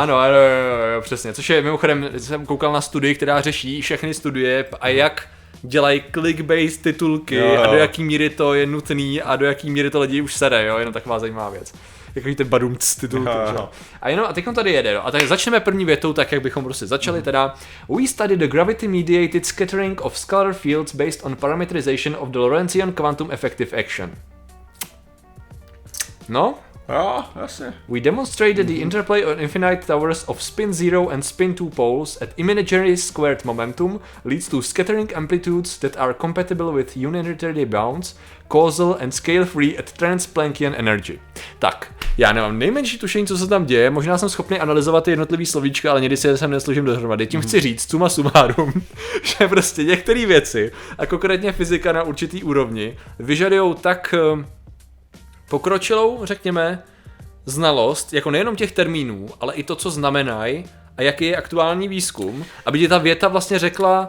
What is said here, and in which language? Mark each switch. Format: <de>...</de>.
<cs>Ano, jo, přesně, což je, mimochodem, jsem koukal na studii, která řeší všechny studie a jak dělají clickbait titulky a do jaký míry to je nutný a do jaký míry to lidi už sere, jo, jenom taková zajímavá věc. Jaký ten badumc titul. A jenom a teď on tady jede. No. A tak začneme první větou, tak jak bychom prostě začali. Teda.</cs> <en>We studied the gravity-mediated scattering of scalar fields based on parameterization of the Lorentzian quantum effective action.</en> <cs>No? Jo, jasně.</cs> <en>We demonstrated the interplay on infinite towers of spin 0 and spin 2 poles at imaginary squared momentum leads to scattering amplitudes that are compatible with unitary bounds, causal and scale-free at trans-Planckian energy.</en> <cs>Tak, já nemám nejmenší tušení, co se tam děje, možná jsem schopný analyzovat ty jednotlivý slovíčka, ale někdy si sem nesložím dohromady. Tím chci říct, suma sumárum, že prostě některé věci, a konkrétně fyzika na určitý úrovni, vyžadujou tak pokročilou, řekněme, znalost, jako nejenom těch termínů, ale i to, co znamenají, a jaký je aktuální výzkum, aby ti ta věta vlastně řekla,</cs>